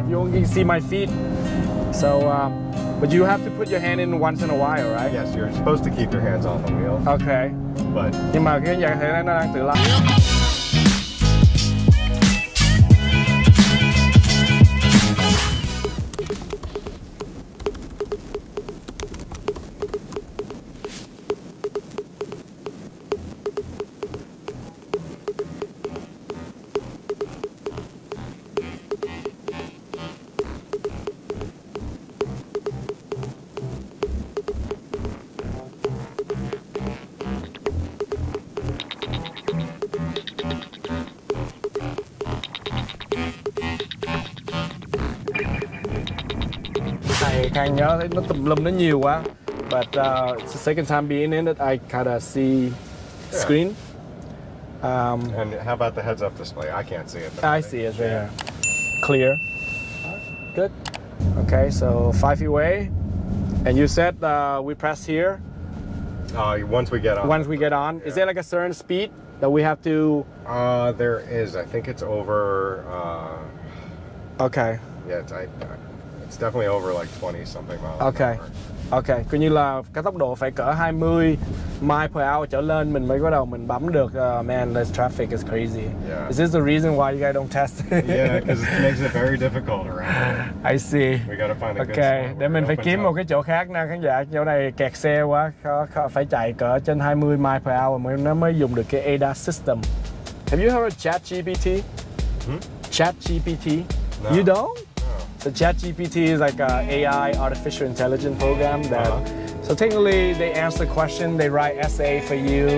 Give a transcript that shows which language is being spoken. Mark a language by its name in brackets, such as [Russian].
[English] You only see my feet, so. But you have to put your hand in once in a while, right? Yes, you're supposed to keep your hands off the wheel. Okay. But. [Vietnamese] Nhưng mà cái khán giả thấy nó đang tự lái. Khang nhớ thấy nó tùm lum nó nhiều quá. [English] But it's the second time being in it, I kind of see screen. And how about the heads up display? I can't see it. I see it there. Clear. Good. Okay, so 5 feet away. And you said we press here? Once we get on. Once we get on. Yeah. Is there like a certain speed that we have to? There is. I think it's over. Okay. Yeah, it's definitely over like 20 something miles. Okay. [Vietnamese] Okay, coi như là cái tốc độ phải cỡ 20 mile per hour trở lên mình mới bắt đầu mình bấm được. [English] Man, this traffic is crazy. Yeah. Is this the reason why you guys don't test? Yeah, because it makes it very difficult around here. I see. We gotta find a good spot. [Vietnamese] Để mình phải kiếm một cái chỗ khác nè khán giả. Chỗ này kẹt xe quá, khó phải chạy cỡ trên 20 mile per hour mới dùng được cái ADAS system. [English] Have you heard of ChatGPT? ChatGPT? No. You don't? So ChatGPT is like a AI, artificial intelligence program that So technically, they answer the question, they write essay for you.